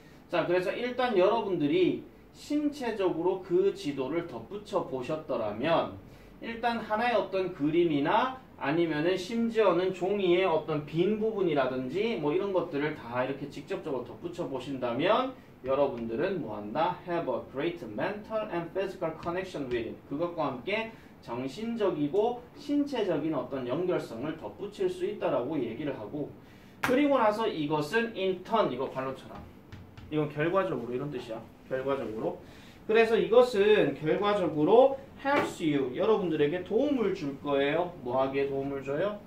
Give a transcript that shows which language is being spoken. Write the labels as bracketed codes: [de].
[ko] 자 그래서 일단 여러분들이 신체적으로 그 지도를 덧붙여 보셨더라면 일단 하나의 어떤 그림이나 아니면은 심지어는 종이의 어떤 빈 부분이라든지 뭐 이런 것들을 다 이렇게 직접적으로 덧붙여 보신다면 여러분들은 뭐 한다? [en] Have a great mental and physical connection with it. [ko] 그것과 함께 정신적이고 신체적인 어떤 연결성을 덧붙일 수 있다라고 얘기를 하고 그리고 나서 이것은 [en] in turn [ko] 이거 발로처럼 이건 결과적으로 이런 뜻이야 결과적으로 그래서 이것은 결과적으로 [en] helps you [ko] 여러분들에게 도움을 줄 거예요 뭐하게 도움을 줘요?